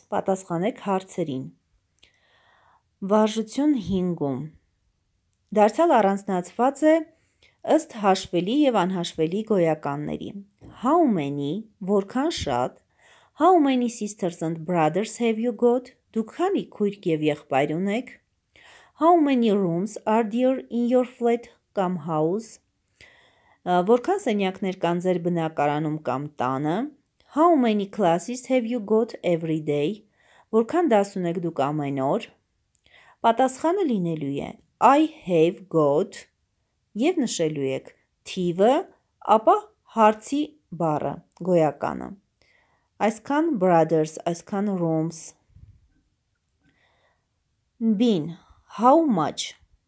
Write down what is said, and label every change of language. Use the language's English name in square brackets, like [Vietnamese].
[Armenian] Պատասխանեք հարցերին։ Վարժություն 5-ում դարձյալ առանձնացված է ըստ հաշվելի եւ անհաշվելի գոյականների։ [English] How many, որքան շատ։ How many sisters and brothers have you got? [Armenian] Դուք քանի քույր եւ եղբայր ունեք։ [English] How many rooms are there in your flat կամ house? [Armenian] Որքան սենյակներ կան ձեր բնակարանում կամ տանը? [English] How many classes have you got every day? [Armenian] Որքան դաս ունեք դուք ամեն օր? Պատասխանը լինելու է [English] I have got [Armenian] եւ նշելու եք թիվը, ապա հարցի բառը, գոյականը։ Այսքան brothers, այսքան rooms։ Bin [English] How much?